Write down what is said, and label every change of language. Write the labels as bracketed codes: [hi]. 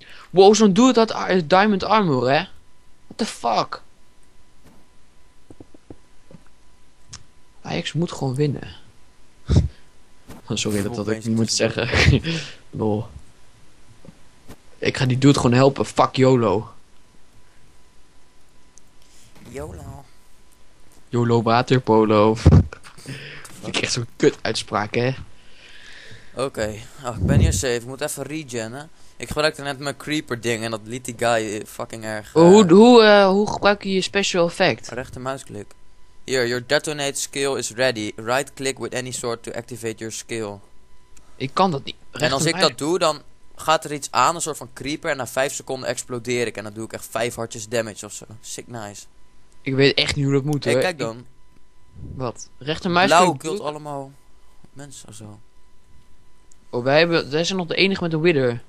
[nl] Wow, zo'n dude had diamond armor, hè? [en] What the fuck? [nl] Ajax moet gewoon winnen. Sorry dat ik niet moet zeggen. Lol. Ik ga die dude gewoon helpen. Fuck YOLO. YOLO. YOLO waterpolo. Ik krijg zo'n kut uitspraak, hè? Oké. Okay. Oh, ik ben hier safe. Ik moet even regenen. Ik gebruikte net mijn creeper ding en dat liet die guy fucking erg. Hoe gebruik je je special effect? Rechte muisklik. [en] Hier, your detonate skill is ready. Right click with any sword to activate your skill. [nl] Ik kan dat niet. En als ik dat doe, dan gaat er iets aan, een soort van creeper. En na 5 seconden explodeer ik. En dan doe ik echt 5 hartjes damage ofzo. [en] Sick nice. [nl] Ik weet echt niet hoe dat moet, hoor. Hey, kijk dan. Wat? Rechte muisklik? Blauw kilt allemaal mensen ofzo. Oh, wij zijn nog de enige met een Wither.